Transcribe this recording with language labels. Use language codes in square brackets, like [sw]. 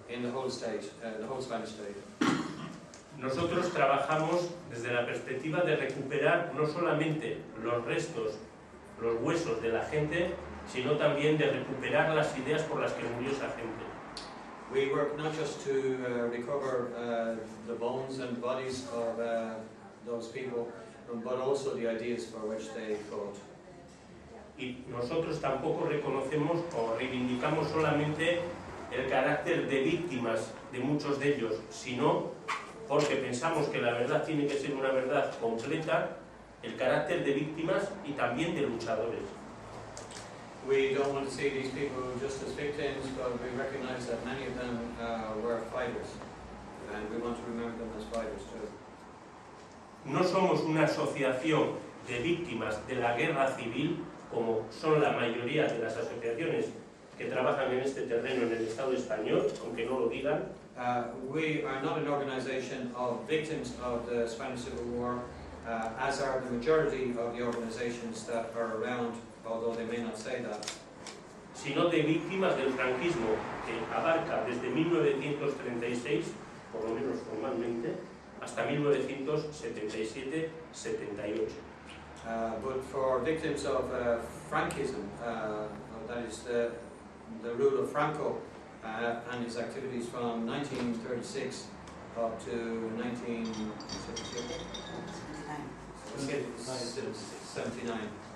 [en] In the whole state, the whole Spanish state. [es] Nosotros trabajamos desde la perspectiva de recuperar no solamente los restos, los huesos de la gente, sino también de recuperar las ideas por las que murió esa gente. [en] We work not just to recover the bones and bodies of those people, but also the ideas for which they fought. [es] Y nosotros tampoco reconocemos o reivindicamos solamente el carácter de víctimas de muchos de ellos, sino porque pensamos que la verdad tiene que ser una verdad completa, el carácter de víctimas y también de luchadores. [en] We don't want to see these people just as victims, but we recognize that many of them were fighters, and we want to remember them as fighters too. [es] No somos una asociación de víctimas de la guerra civil, como son la mayoría de las asociaciones que trabajan en este terreno en el Estado español, aunque no lo digan. [en] We are not an organization of victims of the Spanish Civil War, as are the majority of the organizations that are around, although they may not say that. [es] Sino de víctimas del franquismo, que abarca desde 1936, por lo menos formalmente, hasta 1977-78. [en] But for victims of Frankism, that is the rule of Franco and his activities from 1936 up to 1979.